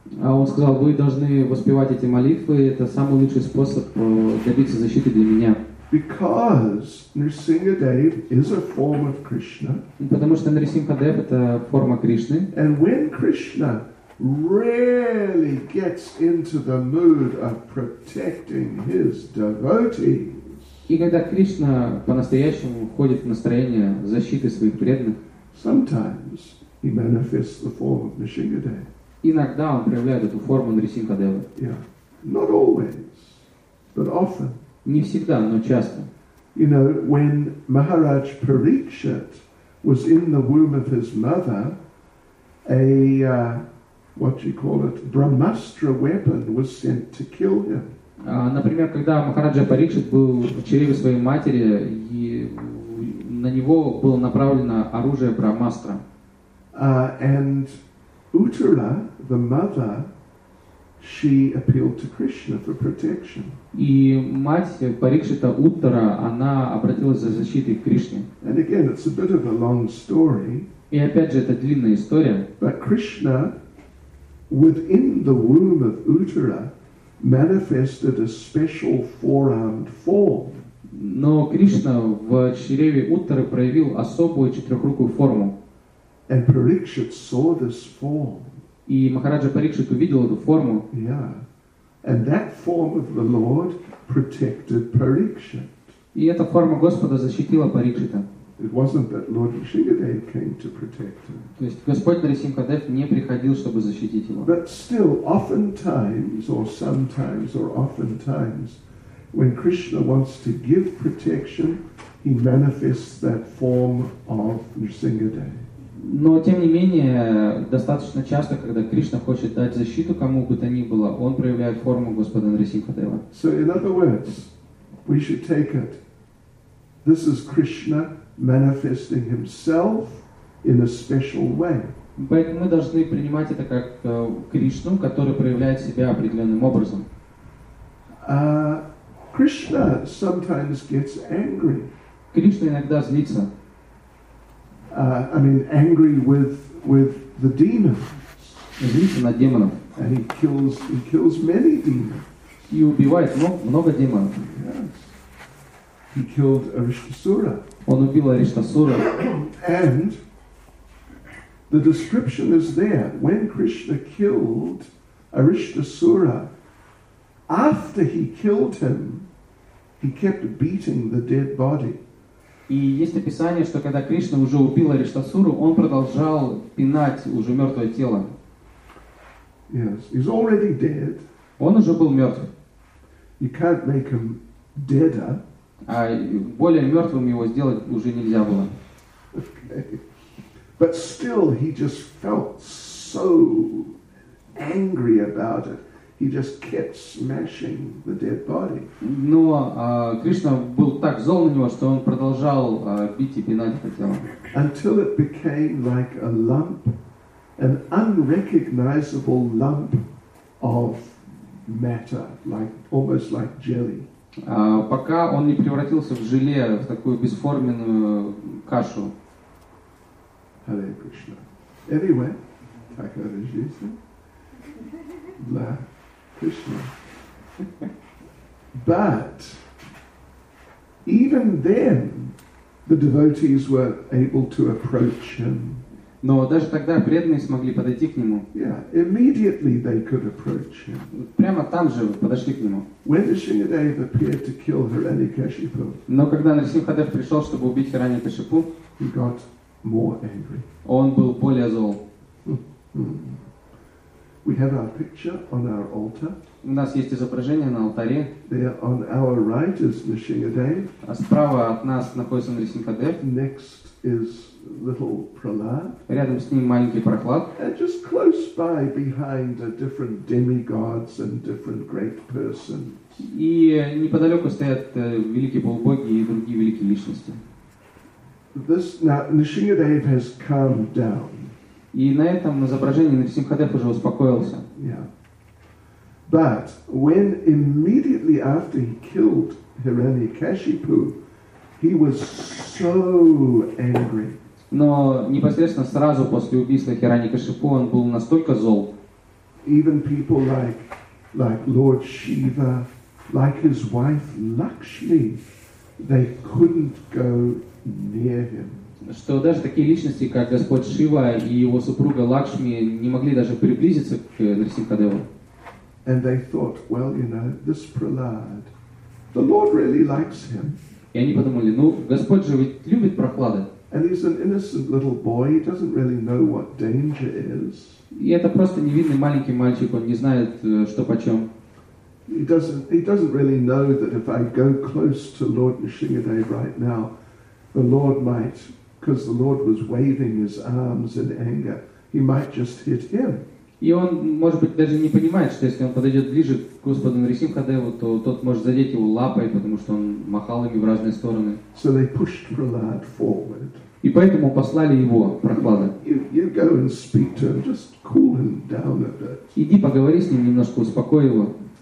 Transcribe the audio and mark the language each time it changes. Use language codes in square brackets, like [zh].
[ru] А он сказал, вы должны воспевать эти молитвы, это самый лучший способ добиться защиты для меня. [en] Because Nrisimhadev is a form of Krishna. [ru] Потому что Нрисимхадев это форма Кришны. [en] And when Krishna really gets into the mood of protecting his devotees. [ru] И когда Кришна по-настоящему входит в настроение защиты своих преданных, [en] sometimes he manifests the form of Nrisimhadeva. [ru] Иногда он проявляет эту форму Нрисимхадева. [en] Yeah. Not always, but often. [ru] Не всегда, но часто. [en] You know, when Maharaj Parikshit was in the womb of his mother, Brahmastra weapon was sent to kill him. [ru] Например, когда Махараджа Парикшит был в чреве своей матери, и на него было направлено оружие Брахмастра. [en] And Uttara, the mother, she appealed to Krishna for protection. [ru] И мать Парикшита Уттара, она обратилась за защитой к Кришне. [en] And again, it's a bit of a long story. [ru] И опять же, это длинная история. [en] But Krishna within the womb of Uttara manifested a special four-armed form. [ru] Но Кришна в чреве Уттары проявил особую четырехрукую форму. [en] And Parikshit saw this form. [ru] И Махараджа Парикшит увидел эту форму. [en] Yeah. And that form of the Lord protected Parikshit. [ru] И эта форма Господа защитила Парикшита. [en] It wasn't that Lord Nrisimhadev came to protect him. [ru] То есть Господь Нрисимхадев не приходил, чтобы защитить его. [en] But still, oftentimes, or sometimes, or oftentimes, when Krishna wants to give protection, he manifests that form of Nrisimhadev. [ru] Но тем не менее, достаточно часто, когда Кришна хочет дать защиту кому бы то ни было, он проявляет форму Господа Нрисимхадева. [en] So in other words, we should take it. This is Krishna manifesting himself in a special way. [ru] Поэтому мы должны принимать это как Кришну, который проявляет себя определенным образом. [en] Krishna sometimes gets angry. [ru] Кришна иногда злится. [en] I mean, angry with the demons. [ru] Злится на демонов. [en] And he kills many demons. [ru] И убивает много демонов. [en] Yes. He killed Arishtasura. [ru] Он убил Арештасуру. [en] And the description is there. When Krishna killed Arishtasura, after he killed him, he kept beating the dead body. [ru] И есть описание, что когда Кришна уже убил Арештасуру, он продолжал пинать уже мертвое тело. [en] Yes, he's already dead. [ru] Он уже был мертв. [en] You can't make him deader. [ru] А более мертвым его сделать уже нельзя было. [en] Okay. But still, he just felt so angry about it. He just kept smashing the dead body. [ru] Но Кришна был так зол на него, что он продолжал бить и пинать это тело. [en] Until it became like a lump, an unrecognizable lump of matter, like almost like jelly. [ru] Пока он не превратился в желе, в такую бесформенную кашу. [en] Hare Krishna. Anyway, [ru] так это жизнь. Да. [en] Krishna. But even then the devotees were able to approach him. [ru] Но даже тогда преданные смогли подойти к нему. [en] Yeah, immediately they could approach him. [ru] Прямо там же подошли к нему. [en] When Srinadeva appeared to kill Hiranyakashipu. [ru] Но когда Нарсимхадев пришел, чтобы убить Хираньякашипу, [en] he got more angry. [ru] Он был более зол. [en] We have our picture on our altar. [ru] У нас есть изображение на алтаре. [en] There on our right is Nrisimhadev. [ru] А справа от нас находится Нрисимхадев. [en] Next is little Prahlad. [ru] Рядом с ним маленький Прохлад. [en] And just close by, behind are different demigods and different great persons. [ru] И неподалеку стоят великие полубоги и другие великие личности. [en] This now Nrisimhadev has calmed down. [ru] И на этом изображении Нарсимхадев уже успокоился. [en] Yeah. But when immediately after he killed Hiranyakashipu, he was so angry. [ru] Но непосредственно сразу после убийства Хираньякашипу он был настолько зол. [en] Even people like Lord Shiva, like his wife Lakshmi, they couldn't go near him. [ru] Что даже такие личности, как Господь Шива и его супруга Лакшми, не могли даже приблизиться к Нарсимхадеву. [en] And they thought, well, you know, this Prahlad, the Lord really likes him. [ru] И они подумали, ну, Господь же ведь любит Прохлада. [en] And he's an innocent little boy, he doesn't really know what danger is. [ru] И это просто невинный маленький мальчик, он не знает, что почем. [en] He doesn't really know that if I go close to Lord Nrisimhadev right now, the Lord might, because the Lord was waving his arms in anger, he might just hit him. [ru] И он, может быть, даже не понимает, что если он подойдет ближе к Господу Нарисимхадеву, то тот может задеть его лапой, потому что он махал ими в разные стороны. [en] So they pushed Prahlad forward. [ru] И поэтому послали его, Прохлада. [en] You go and speak to him, just cool him down a bit. [ru] Иди поговори с ним немножко, успокой его.